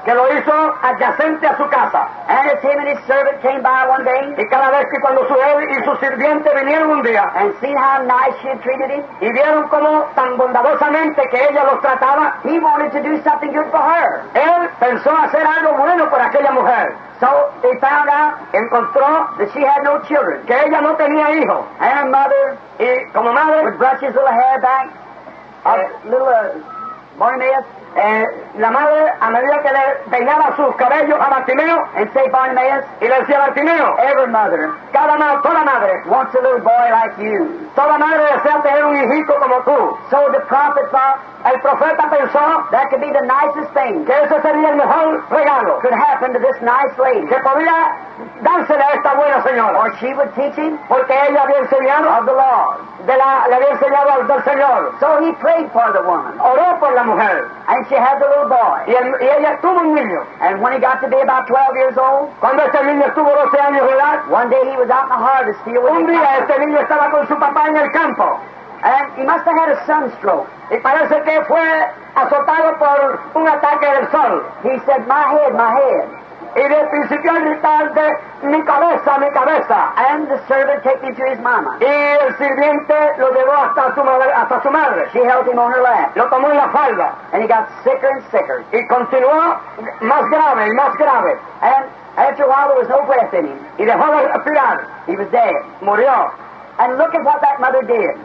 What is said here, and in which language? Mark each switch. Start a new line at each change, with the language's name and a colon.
Spanish: Que lo hizo adyacente a su casa.
English: And as him and his servant came by one day.
Spanish: Y cada vez que cuando su él y su sirviente vinieron un día.
English: And seen how nice she had treated him.
Spanish: Y vieron cómo tan bondadosamente que ella los trataba.
English: He wanted to do something good for her.
Spanish: Él pensó hacer algo bueno por aquella mujer.
English: So they found out,
Spanish: encontró,
English: that she had no children.
Spanish: Que ella no tenía hijos.
English: And her mother,
Spanish: y como madre,
English: would brush his little hair back, a little Bartimaeus.
Spanish: La madre, a medida que le peinaba sus cabellos a Bartimeo,
English: and say Bartimaeus,
Spanish: y le decía Bartimeo,
English: every mother,
Spanish: toda madre,
English: wants a little boy like you.
Spanish: Toda madre desea tener un hijito como tú.
English: So the prophet thought,
Spanish: el profeta pensó,
English: that could be the nicest thing,
Spanish: que ese sería el mejor regalo,
English: could happen to this nice lady,
Spanish: que podría dársela a esta buena señora,
English: or she would teach him,
Spanish: porque ella había enseñado,
English: of the law,
Spanish: le había enseñado al del Señor.
English: So he prayed for the woman,
Spanish: oró por la mujer,
English: and she had the little boy,
Spanish: y ella tuvo un niño,
English: and when he got to be about 12 years old,
Spanish: cuando este niño estuvo 12 años de edad,
English: one day he was out in the harvest field,
Spanish: un día este niño estaba con su papá en el campo,
English: and he must have had a sunstroke.
Spanish: Y parece que fue azotado por un ataque del sol.
English: He said, my head, my head.
Spanish: Y de principio a gritar de mi cabeza, mi cabeza.
English: And the servant took him to his mama.
Spanish: Y el sirviente lo llevó hasta su madre.
English: She held him on her lap.
Spanish: Lo tomó en la falda.
English: And he got sicker and sicker.
Spanish: Y continuó más grave y más grave.
English: And after a while there was no breath in him.
Spanish: Y dejó de respirar.
English: He was dead.
Spanish: Murió.
English: And look at what that mother did.